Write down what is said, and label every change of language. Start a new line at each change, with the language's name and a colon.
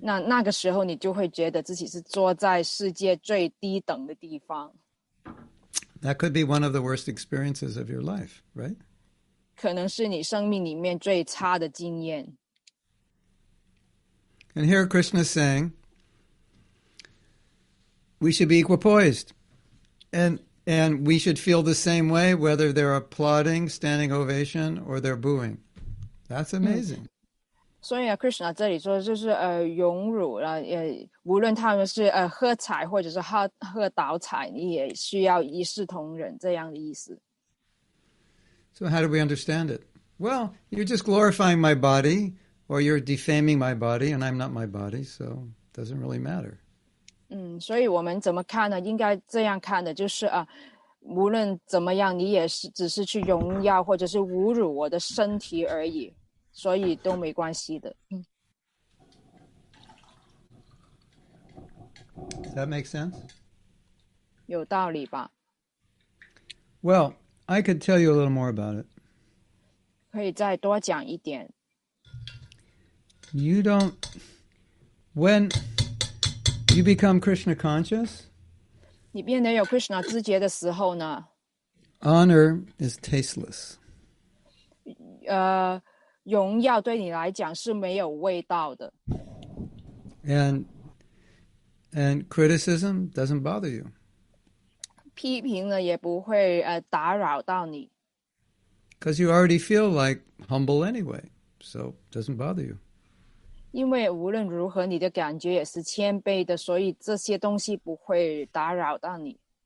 Chinese: 那个时候你就会觉得自己是坐在世界最低等的地方。
English: That could be one of the worst experiences of your life, right?
Chinese: 可能是你生命里面最差的经验。
English: And here Krishna is saying,We should be equal poised. And we should feel the same way, whether they're applauding, standing ovation, or they're booing. That's amazing.
Chinese: So, Krishna 这里说就是荣辱了，无论他们是喝彩或者是喝倒彩，你也需要一视同仁，这样的意思。
English: So how do we understand it? Well, you're just glorifying my body, or you're defaming my body, and I'm not my body, so it doesn't really matter.
Chinese: 所以我们怎么看呢？应该这样看的，就是无论怎么样，你也是只是去荣耀或者是侮辱我的身体而已，所以都没关系的。
English: Does that make sense?
Chinese: 有道理吧。
English: Well, I could tell you a little more about it.
Chinese: 可以再多讲一点。
English: You don't... When... You become Krishna conscious?
Chinese: 你变得有 Krishna 知觉的时候呢?
English: Honor is tasteless.
Chinese: 荣耀对你来讲是没有味道的。
English: And criticism doesn't bother you.
Chinese: 批评呢也不会打扰到你。
English: Because you already feel like humble anyway, so it doesn't bother you.
Chinese: 因为无论如何，你的感觉也是谦卑的，所以这些东西不会打扰到你。